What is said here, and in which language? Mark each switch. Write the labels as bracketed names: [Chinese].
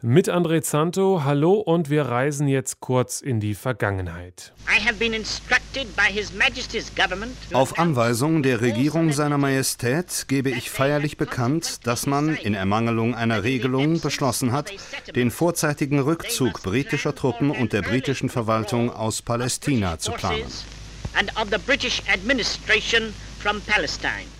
[German] Mit André Zanto, hallo, und wir reisen jetzt kurz in die Vergangenheit. [English] I have been instructed by His Majesty's Government. [German] Auf Anweisung der Regierung seiner Majestät gebe ich feierlich bekannt, dass man in Ermangelung einer Regelung beschlossen hat, den vorzeitigen Rückzug britischer Truppen und der britischen Verwaltung aus Palästina zu planen. [English] And of the British administration from Palestine.